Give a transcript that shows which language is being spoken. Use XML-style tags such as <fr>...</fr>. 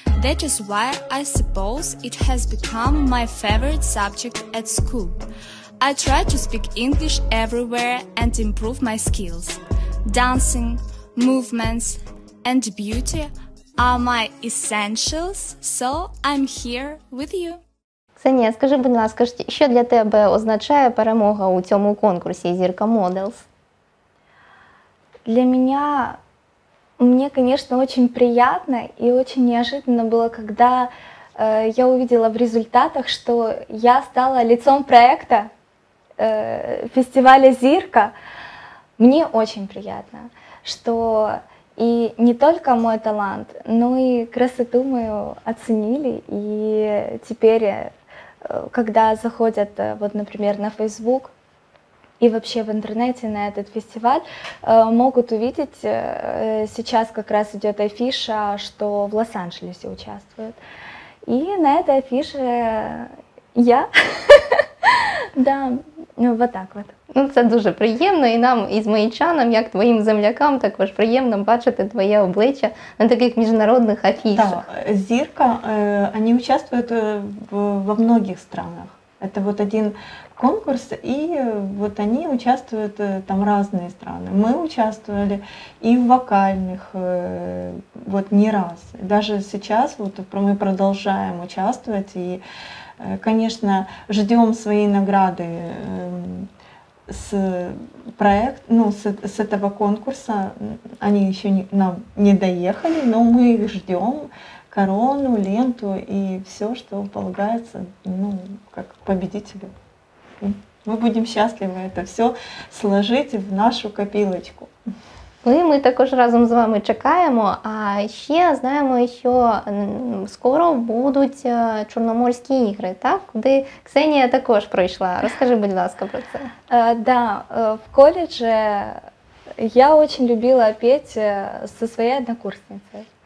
<en>That is why I suppose it has become my favorite subject at school. I try to speak English everywhere and improve my skills. Dancing, movements, and beauty are my essentials, so I'm here with you.</en> <uk>Ксенія, скажи, будь ласка, що для тебе означає перемога у цьому конкурсі «Зірка Моделс»? Для мене, звісно, дуже приємно і дуже неожиданно було, коли я побачила в результатах, що я стала лицем проєкту фестивалю «Зірка». Мені дуже приємно, що і не тільки мій талант, але й красоту мою оцінили і тепер...</uk> <ru>Когда заходят, вот, например, на Facebook и вообще в интернете на этот фестиваль, могут увидеть, сейчас как раз идет афиша, что в Лос-Анджелесе участвуют. И на этой афише я. Да, вот так вот.</ru> <uk>Ну, це дуже приємно, і нам, ізмаїльчанам, як твоїм землякам, також приємно бачити твоє обличчя на таких міжнародних афішах. Так, «Зірка», вони участвують</uk> <ru>во многих странах.</ru> <uk>Це от один конкурс, і от вони участвують там різні страни. Ми участвували і в вокальних, от не раз. Навіть зараз от ми продовжуємо участвувати, і, звісно, чекаємо свої награди.</uk> <ru>С проект, ну, с этого конкурса они еще нам не доехали, но мы их ждем, корону, ленту и все, что полагается, ну, как победителю. Мы будем счастливы это все сложить в нашу копилочку.</ru> <uk>Ну, ми також разом з вами чекаємо, а ще знаємо, що скоро будуть Чорноморські ігри, так? Куди Ксенія також пройшла. Розкажи, будь ласка, про це. Да, в коледжі я дуже любила петь зі своєю однокурсницею.</uk>